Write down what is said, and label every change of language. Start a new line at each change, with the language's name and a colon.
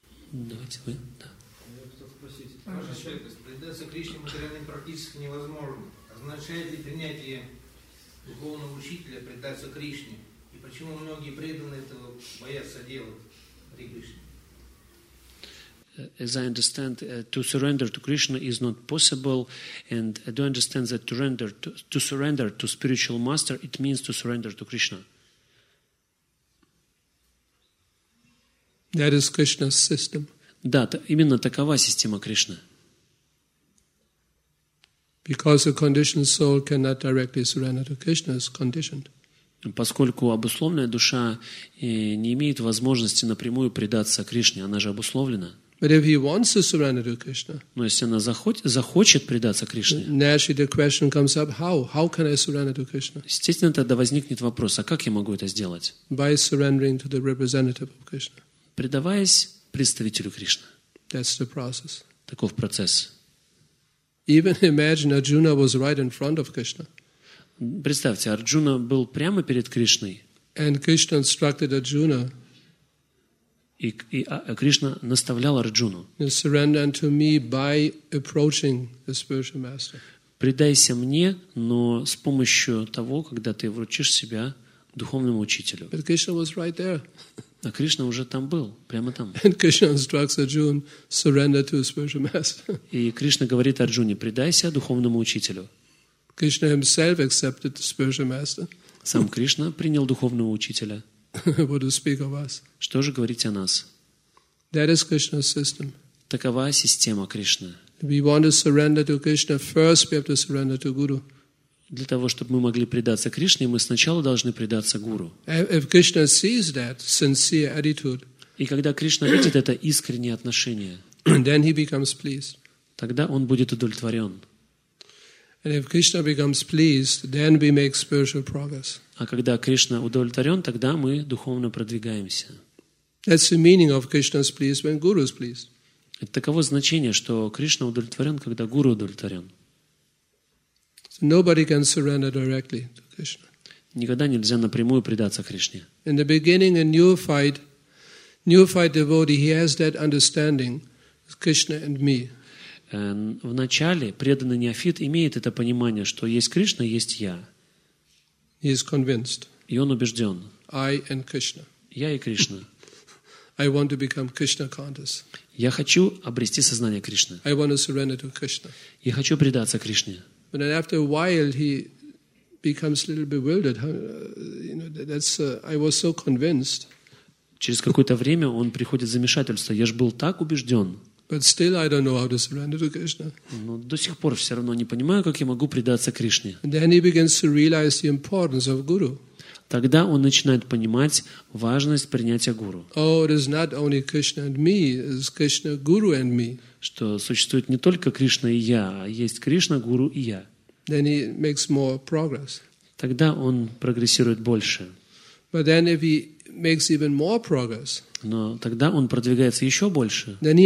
Russian: Давайте вы. Да. Я хотел спросить. Ваша честь, предаться Кришне материальным практически невозможно. Означает ли принятие духовного учителя предаться Кришне? И почему многие преданные этого боятся делать при Кришне?
English: As I understand, to surrender to Krishna is not possible, and I do understand that to surrender to spiritual master, it means to surrender to Krishna. That is Krishna's system.
Russian: Да, именно такова система Кришны.
English: Because a conditioned soul cannot directly surrender to Krishna, it's conditioned.
Russian: Поскольку обусловленная душа не имеет возможности напрямую предаться Кришне, она же обусловлена.
English: But if he wants to surrender to Krishna,
Russian: но если она захочет предаться Кришне,
English: naturally the question comes up: How can I surrender to Krishna?
Russian: Естественно, тогда возникнет вопрос: а как я могу это сделать?
English: By surrendering to the representative of Krishna.
Russian: Предаваясь представителю Кришны.
English: That's the process.
Russian: Таков процесс.
English: Even imagine Arjuna was right in front of Krishna.
Russian: Представьте, Арджуна был прямо перед Кришной.
English: And Krishna instructed Arjuna.
Russian: И Кришна наставлял Арджуну.
English: Surrender unto me by approaching the spiritual master.
Russian: Предайся мне, но с помощью того, когда ты вручишь себя духовному учителю.
English: But Krishna was right there.
Russian: А Кришна уже там был, прямо там.
English: And Krishna instructs Arjuna, surrender to the spiritual master.
Russian: И Кришна говорит Арджуне: предайся духовному учителю.
English: Krishna himself accepted the spiritual master.
Russian: Сам Кришна принял духовного учителя.
English: What to speak of us?
Russian: Что же говорить о нас?
English: That is Krishna's system.
Russian: Такова система Кришны.
English: We want to surrender to Krishna first, we have to surrender to Guru.
Russian: Для того, чтобы мы могли предаться Кришне, мы сначала должны предаться Гуру.
English: If Krishna sees that sincere attitude,
Russian: и когда Кришна видит это искреннее отношение,
English: then he becomes pleased.
Russian: Тогда он будет удовлетворен.
English: And if Krishna becomes pleased, then we make spiritual progress.
Russian: А когда Кришна удовлетворен, тогда мы духовно продвигаемся.
English: That's the meaning of Krishna's pleased when Guru is pleased.
Russian: Это таково значение, что Кришна удовлетворен, когда Гуру удовлетворен.
English: So nobody can surrender directly to Krishna.
Russian: Никогда нельзя напрямую предаться Кришне.
English: In the beginning, a new fight devotee, he has that understanding, Krishna and me.
Russian: В начале преданный неофит имеет это понимание, что есть Кришна, есть я.
English: He is convinced.
Russian: И он убежден.
English: I and Krishna.
Russian: Я и Кришна.
English: I want to become Krishna conscious.
Russian: Я хочу обрести сознание Кришны.
English: I want to surrender to Krishna.
Russian: Я хочу предаться Кришне.
English: But then after a while he becomes a little bewildered. You know, that's I was so convinced.
Russian: Через какое-то время он приходит в замешательство. Я же был так убежден.
English: But still, I don't know how to surrender to Krishna.
Russian: Но до сих пор все равно не понимаю, как я могу предаться Кришне.
English: And then he begins to realize the importance of Guru.
Russian: Тогда он начинает понимать важность принятия Гуру.
English: Oh, it is not only Krishna and me; it's Krishna, Guru and me.
Russian: Что существует не только Кришна и я, а есть Кришна, Гуру и я.
English: Then he makes more progress.
Russian: Тогда он прогрессирует больше.
English: But then, if he makes even more progress.
Russian: Но тогда он продвигается еще больше.